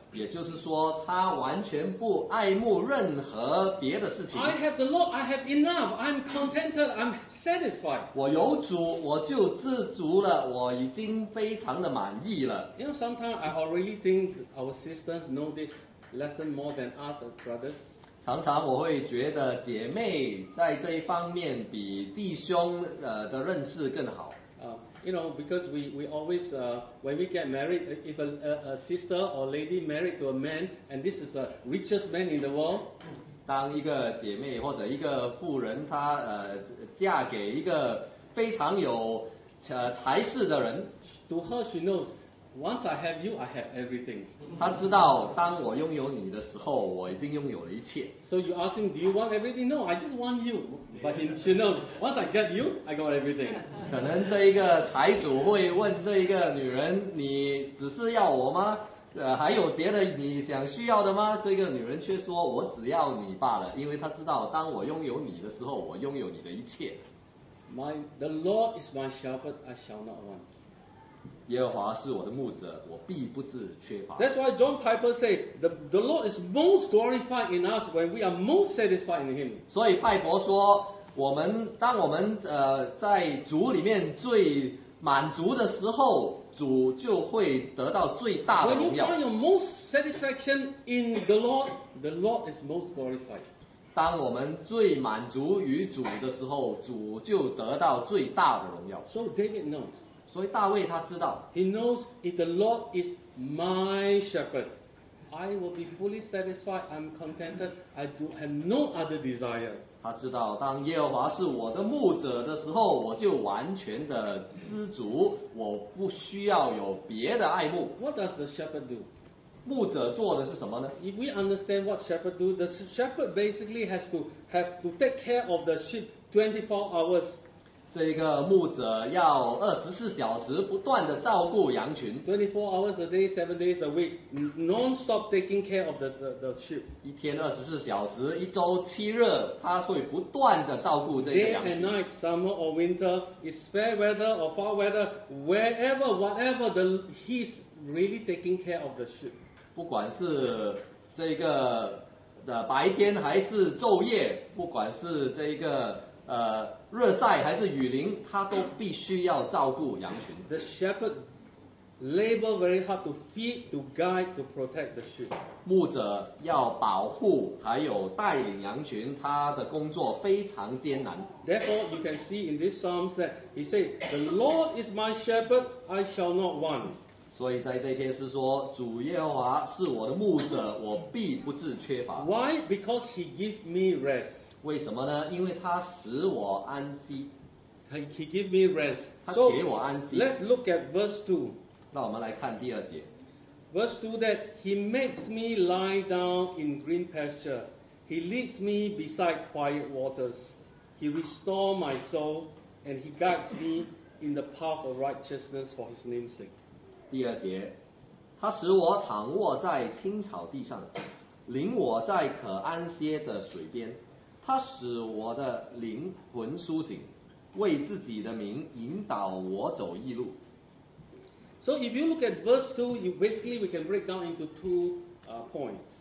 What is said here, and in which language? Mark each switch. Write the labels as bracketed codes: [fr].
[zh] 也就是说他完全不爱慕任何别的事情。 [en] I have the Lord, I have enough, I'm contented, I'm satisfied. [zh] 我有主，我就知足了，我已经非常的满意了。 [en] You know, sometimes I already think our sisters know this lesson more than us brothers. [zh] 常常我会觉得姐妹在这一方面比弟兄的认识更好。 [en] You know, because we always when we get married, if a sister or lady married to a man, and this is the richest man in the world. [zh] 当一个姐妹或者一个妇人她嫁给一个非常有财势的人。 [en] To her, she knows. Once I have you, I have everything. [zh] 他知道当我拥有你的时候，我已经拥有了一切。 [en] So you ask him, do you want everything? No, I just want you. But he should know, once I get you, I got everything. [zh] 可能这一个财主会问这一个女人，你只是要我吗？还有别的你想需要的吗？这个女人却说，我只要你罢了，因为她知道当我拥有你的时候，我拥有你的一切。 [en] The Lord is my shepherd, I shall not want. [zh] 耶和华是我的牧者，我必不致缺乏。 [en] That's why John Piper said the Lord is most glorified in us when we are most satisfied in Him. [zh] 所以派伯说，我们当我们在主里面最满足的时候，主就会得到最大的荣耀。 [en] When you find your most satisfaction in the Lord is most glorified. [zh] 当我们最满足于主的时候，主就得到最大的荣耀。 [en] So David knows. [zh] 所以大卫他知道 [en] He knows if the Lord is my shepherd I will be fully satisfied I'm contented I do have no other desire [zh] 他知道当耶和华是我的牧者的时候我就完全的知足我不需要有别的爱慕 [en] What does the shepherd do? [zh] 牧者做的是什么呢 [en] If we understand what shepherd do the shepherd basically has to have to take care of the sheep 24 hours [zh] 这个牧者要24小时不断的照顾羊群 [en] 24 hours a day, 7 days a week non-stop taking care of the sheep [zh] 一天24小时一周七日他会不断的照顾这个羊群 [en] day and night, summer or winter it's fair weather or foul weather wherever, whatever the, he's really taking care of the sheep [zh] 不管是这个的白天还是昼夜不管是这个热晒还是雨淋，他都必须要照顾羊群。 [en] The shepherd labor very hard to feed, to guide, to protect the sheep. [zh] 牧者要保护还有带领羊群，他的工作非常艰难。 [en] Therefore, you can see in this psalm that he said, "The Lord is my shepherd; I shall not want." [zh] 所以在这篇是说，主耶和华是我的牧者，我必不致缺乏。 [en] Why? Because he gives me rest. [zh] 为什么呢？因为他使我安息。 [en] He give me rest. [zh] 他给我安息。 [en] So, let's look at verse 2. [zh] 那我们来看第二节。 [en] Verse 2 that he makes me lie down in green pasture. He leads me beside quiet waters. He restores my soul and he guides me in the path of righteousness for his name's sake. [zh] 第二节，他使我躺卧在青草地上，领我在可安歇的水边。他使我的灵魂苏醒，为自己的名引导我走义路。 [en] So if you look at verse 2, you basically we can break down into two points.